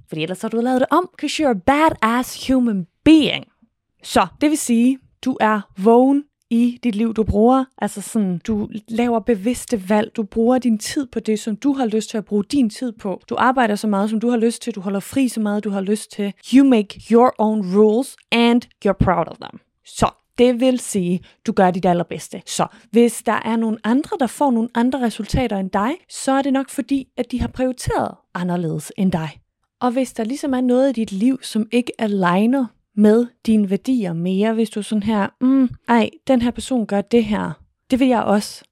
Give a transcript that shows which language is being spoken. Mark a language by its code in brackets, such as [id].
[da] Fordi ellers har du lavet det om, [en] because you're a badass human being. [da] Så det vil sige, du er vågen i dit liv, du bruger. Altså sådan, du laver bevidste valg. Du bruger din tid på det, som du har lyst til at bruge din tid på. Du arbejder så meget, som du har lyst til. Du holder fri så meget, du har lyst til. [en] You make your own rules, and you're proud of them. [da] Så det vil sige, du gør dit allerbedste. Så hvis der er nogle andre, der får nogle andre resultater end dig, så er det nok fordi, at de har prioriteret anderledes end dig. Og hvis der ligesom er noget i dit liv, som ikke aligner med dine værdier mere, hvis du sådan her, den her person gør det her, det vil jeg også.